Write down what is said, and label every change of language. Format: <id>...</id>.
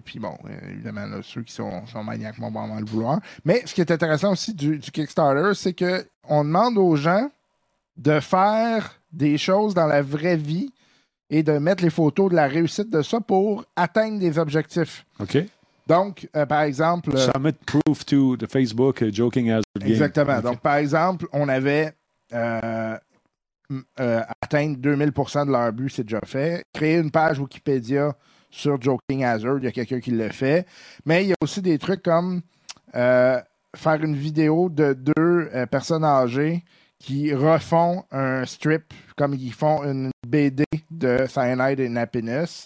<fr>Puis, bon, évidemment, là, ceux qui sont maniaques vont vraiment le vouloir. Mais ce qui est intéressant aussi du Kickstarter, c'est qu'on demande aux gens de faire des choses dans la vraie vie et de mettre les photos de la réussite de ça pour atteindre des objectifs. OK. Donc, par exemple...</fr> <en>Submit proof to the Facebook joking as a game.</en> <fr>Exactement. Okay. Donc, par exemple, on avait atteint 2000% de leur but, c'est déjà fait. Créer une page Wikipédia sur joking as a, il y a quelqu'un qui le fait. Mais il y a aussi des trucs comme faire une vidéo de deux personnes âgées qui refont un strip, comme ils font une BD de Cyanide and Happiness.</fr>